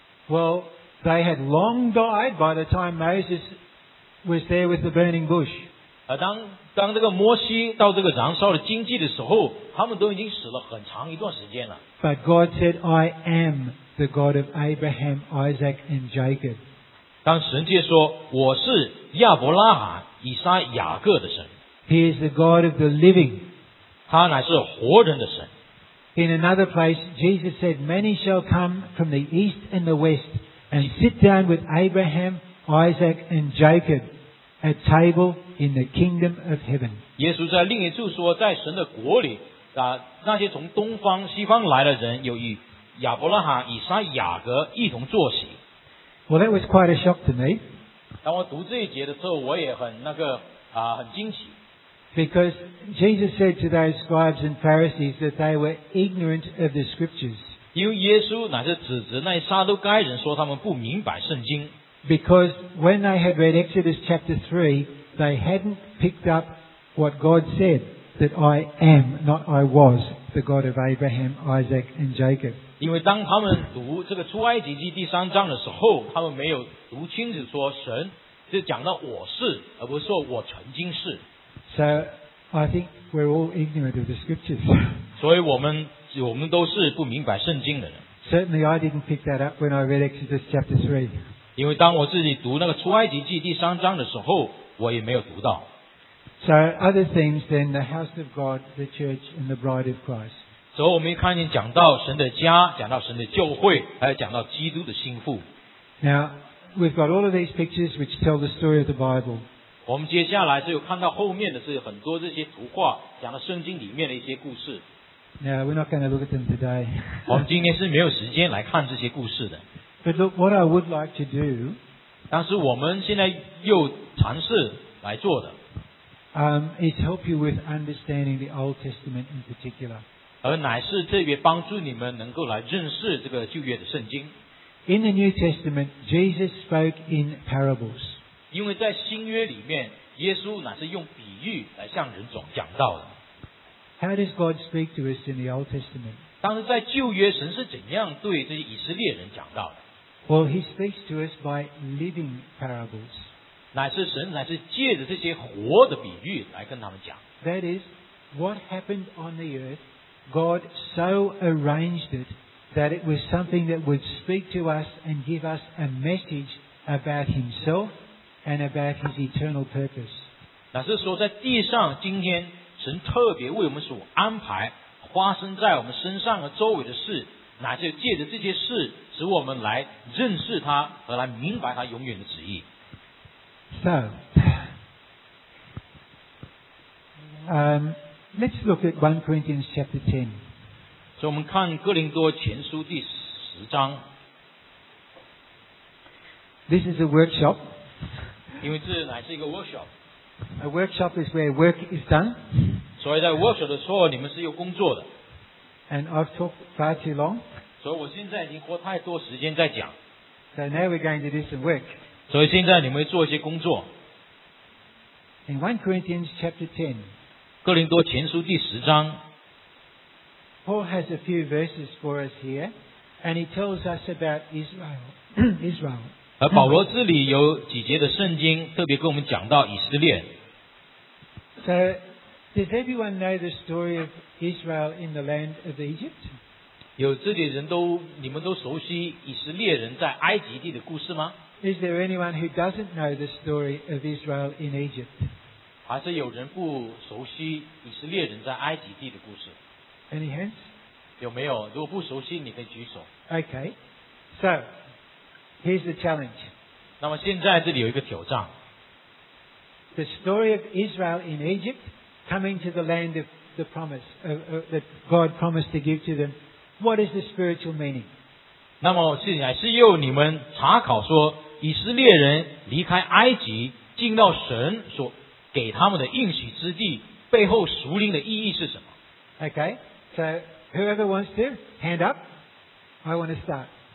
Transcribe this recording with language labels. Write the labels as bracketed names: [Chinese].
[English] Well, they had long died by the time Moses was there with the burning bush. [Chinese] 当这个摩西到这个燃烧的荆棘的时候他们都已经死了很长一段时间了。 [English] But God said, I am. The God of Abraham, Isaac, and Jacob. [Chinese] 当神界说我是亚伯拉罕、以撒、雅各的神。 [English] He is the God of the living. [Chinese] 他乃是活人的神。 [English] In another place, Jesus said, "Many shall come from the east and the west and sit down with Abraham, Isaac, and Jacob at table in the kingdom of heaven." [Chinese] 耶稣在另一处说，在神的国里，那些从东方、西方来的人有与亚伯拉罕、以撒、雅各一同坐席。 [English] Well, that was quite a shock to me. [Chinese] 当我读这一节的时候，我也很很惊奇。 [English] Because Jesus said to those scribes and Pharisees that they were ignorant of the scriptures. [Chinese] 因为耶稣乃是指责那些撒都该人说他们不明白圣经。 [English] Because when they had read Exodus chapter 3, they hadn't picked up what God said, that I am, not I was, the God of Abraham, Isaac, and Jacob. [Chinese] 因为当他们读这个出埃及记第三章的时候，他们没有读清楚说神就讲到我是，而不是说我曾经是。 [English] So I think we're all ignorant of the scriptures. [Chinese] 所以我们都是不明白圣经的人。 [English] Certainly I didn't pick that up when I read Exodus chapter 3. [Chinese] 因为当我自己读那个出埃及记第三章的时候，我也没有读到。 [English] So other themes then, the house of God, the church, and the bride of Christ. [Chinese] 所以我们看见讲到神的家，讲到神的教会，还有讲到基督的心腹。 [English] Now, we've got all of these pictures which tell the story of the Bible. [Chinese] 我们接下来是有看到后面的是很多这些图画，讲到圣经里面的一些故事。 [English] Now, we're not going to look at them today. [Chinese] 我们今天是没有时间来看这些故事的。 [English] But look, what I would like to do, [Chinese] 但是我们现在又尝试来做的。 [English] Is help you with understanding the Old Testament in particular. [Chinese] 而乃是特别帮助你们能够来认识这个旧约的圣经。 [English] In the New Testament, Jesus spoke in parables. [Chinese] 因为在新约里面，耶稣乃是用比喻来向人总讲道的。 [English] How does God speak to us in the Old Testament? [Chinese] 但是在旧约，神是怎样对这些以色列人讲道的？ [English] Well, He speaks to us by living parables. [Chinese] 乃是神乃是借着这些活的比喻来跟他们讲。 [English] That is, what happened on the earth, God so arranged it that it was something that would speak to us and give us a message about Himself and about His eternal purpose. [Chinese] 乃是说在地上今天神特别为我们所安排发生在我们身上和周围的事，乃是借着这些事使我们来认识他和来明白他永远的旨意。 [English] So, let's look at 1 Corinthians chapter 10. [Chinese] So, 我们看哥林多前书第十章。 [English] This is a workshop. [Chinese] 因为这乃是一个 workshop. [English] A workshop is where work is done. [Chinese] 所以在 workshop 的时候，你们是有工作的。 [English] And I've talked far too long. [Chinese] 所以我现在已经花太多时间在讲。 [English] So now we're going to do some work. [Chinese] 所以现在你们做一些工作。 [English] In 1 Corinthians chapter 10, [Chinese] 哥林多前书第十章 [English] Paul has a few verses for us here, and he tells us about Israel. Israel. [Chinese] 而保罗这里有几节的圣经特别跟我们讲到以色列。 [English] So, does everyone know the story of Israel in the land of Egypt? [Chinese] 有这里人都你们都熟悉以色列人在埃及地的故事吗？ [English] Is there anyone who doesn't know the story of Israel in Egypt? [Chinese] 还是有人不熟悉以色列人在埃及地的故事？ [English] Any hands? [Chinese] 有没有？如果不熟悉，你可以举手。 [English] Okay. So, here's the challenge. [Chinese] 那么现在这里有一个挑战。 [English] The story of Israel in Egypt, coming to the land of the promise, that God promised to give to them, what is the spiritual meaning? [Chinese] 那么是乃是由你们查考说以色列人离开埃及进到神所给他们的应许之地背后属灵的意义是什么 [English] OK So whoever wants to hand up I want to start